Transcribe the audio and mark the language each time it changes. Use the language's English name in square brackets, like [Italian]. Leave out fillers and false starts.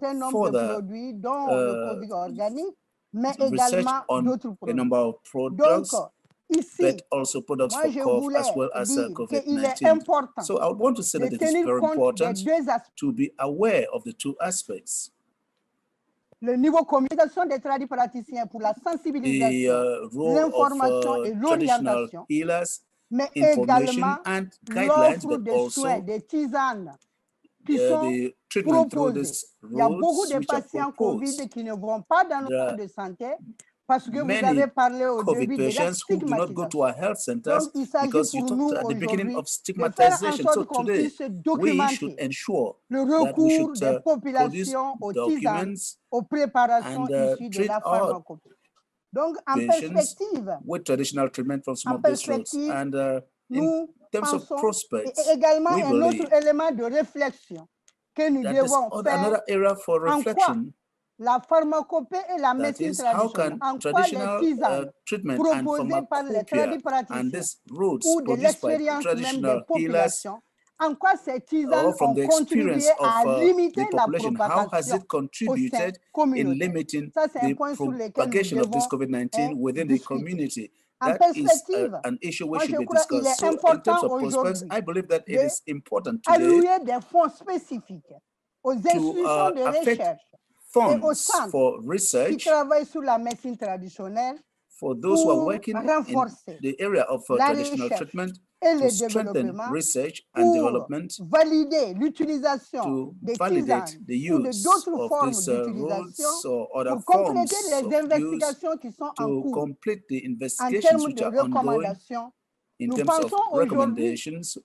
[English] further research on a number of products, but also products for cough as well as COVID-19. So I would want to say that it is very important to be aware of the two aspects. [French] Le niveau communication des tradis praticiens pour la sensibilisation, l'information et l'orientation, mais également l'offre de soins, des tisanes qui sont proposées. Il y a beaucoup de patients COVID qui ne vont pas dans le centre de santé. [English] Many COVID patients who do not go to our health centers because you talked at the beginning of stigmatization. So today, we should ensure that we should produce documents and treat our patients with traditional treatment from some of these roots. And in terms of prospects, we believe that another area for reflection. [French] La pharmacopée et la médecine traditionnelle, en quoi les tisanes proposées par les tradis praticiens ou de l'expérience même des populations, en quoi ces tisanes ont contribué à limiter la propagation au sein communautaire. Ça, c'est un point sur lequel nous devons discuter. [English] That is an issue we should be discussing. So, in terms of prospects, I believe that it is important today to [French] allouer des fonds spécifiques aux institutions de recherche. [English] Funds for research for those who are working in the area of traditional treatment to strengthen research and development to validate the use of these roots or other forms of use to complete the investigations which are ongoing in terms of recommendations.